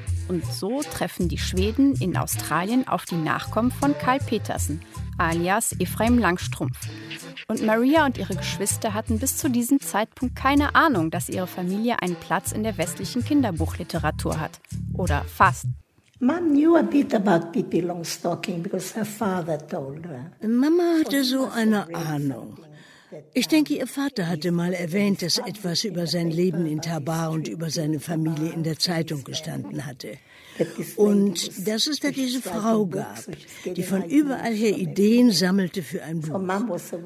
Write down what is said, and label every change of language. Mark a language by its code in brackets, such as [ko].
[de] Und so treffen die Schweden in Australien auf die Nachkommen von Karl Petersen, alias Efraim Langstrumpf. Und Maria und ihre Geschwister hatten bis zu diesem Zeitpunkt keine Ahnung, dass ihre Familie einen Platz in der westlichen Kinderbuchliteratur hat. Oder fast. [en] Mom knew a bit about Pippi Longstocking because her father told her. [de] Mama hatte so eine Ahnung. Ich denke, ihr Vater hatte mal erwähnt, dass etwas über sein Leben in Tabar und über seine Familie in der Zeitung gestanden hatte. Und dass es da diese Frau gab, die von überall her Ideen sammelte für ein Buch.